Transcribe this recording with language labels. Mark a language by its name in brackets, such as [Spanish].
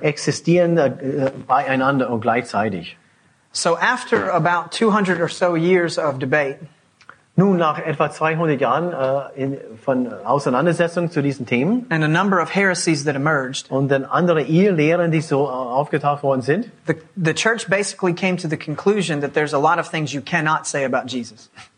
[German] Existieren beieinander und gleichzeitig. [English] So after about 200 or so years of debate. [German] Nun, nach etwa 200 Jahren von Auseinandersetzung zu diesen Themen [English] and a number of heresies that emerged, [German] und dann andere Irrlehren, die so aufgetaucht worden sind, [English] the church basically came to the conclusion that there's a lot of things you cannot say about Jesus.